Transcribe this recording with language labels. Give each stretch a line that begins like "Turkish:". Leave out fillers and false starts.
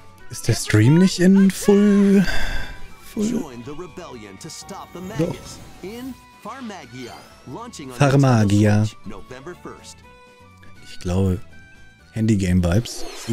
German: Ist der Stream nicht
English: in full? Join the rebellion to stop the Magus in Farmagia, launching on Farmagia. November 1st.
German: Ich glaube, Handy Game Vibes.